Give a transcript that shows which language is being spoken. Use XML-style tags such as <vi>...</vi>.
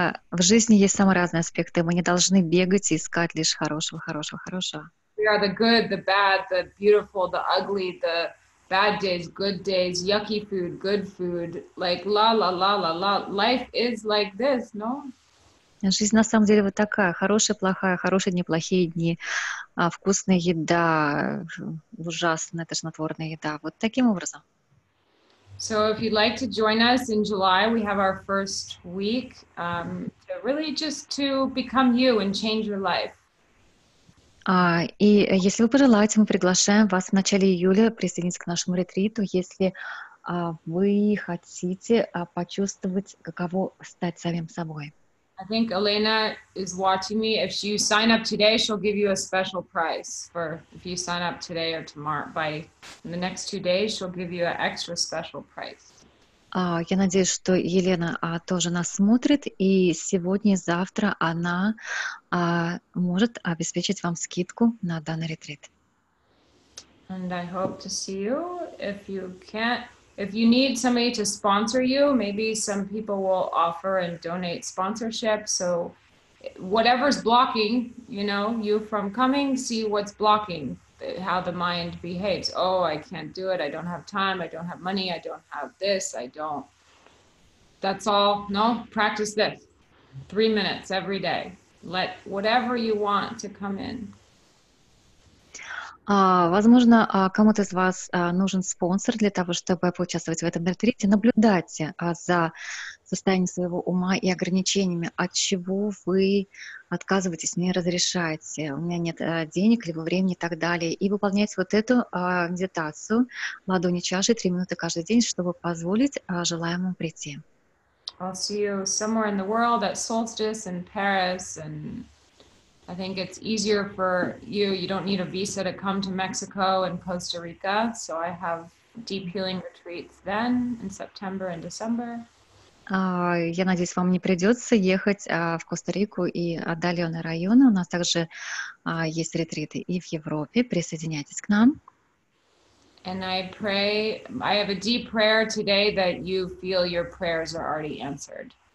<ru>В жизни есть самые разные аспекты, мы не должны бегать и искать лишь хорошего.</ru> <en>We are the good, the bad, the beautiful, the ugly, the bad days, good days, yucky food, good food, like la la la la la. Life is like this, no?</en> <ru>Жизнь на самом деле вот такая: хорошая, плохая, хорошие дни, плохие дни, вкусная еда, ужасная, тошнотворная еда. Вот таким образом.</ru> <en>So if you'd like to join us in July, we have our first week, really just to become you and change your life.</en> <ru>И если вы пожелаете, мы приглашаем вас в начале июля присоединиться к нашему ретриту, если вы хотите почувствовать, каково стать самим собой.</ru> <en>I think Elena is watching me. If you sign up today, she'll give you a special price. For if you sign up today or tomorrow, by in the next 2 days, she'll give you an extra special price.</en> <ru>Я надеюсь, что Елена тоже нас смотрит, и сегодня, завтра она может обеспечить вам скидку на данный ретрит.</ru> <en>And I hope to see you. If you can't, if you need somebody to sponsor you, maybe some people will offer and donate sponsorship. So whatever's blocking, you know, you from coming, see what's blocking, how the mind behaves. Oh, I can't do it. I don't have time. I don't have money. I don't have this. I don't. That's all. No, practice this. 3 minutes every day. Let whatever you want to come in.</en> <ru>Возможно, кому-то из вас нужен спонсор для того, чтобы поучаствовать в этом ретрите. Наблюдайте за состоянием своего ума и ограничениями, от чего вы отказываетесь, не разрешаете. У меня нет денег, либо времени и так далее. И выполняйте вот эту медитацию, ладони чаши, 3 минуты каждый день, чтобы позволить желаемому прийти.</ru> <en>I'll see you somewhere in the world at solstice in Paris and... I think it's easier for you. You don't need a visa to come to Mexico and Costa Rica. So I have deep healing retreats then in September and December.</en> <ru>Я надеюсь, вам не придется ехать в Коста-Рику и отдаленные районы. У нас также есть ретриты и в Европе. Присоединяйтесь к нам.</ru> <en>And I pray, I have a deep prayer today that you feel your prayers are already answered.</en>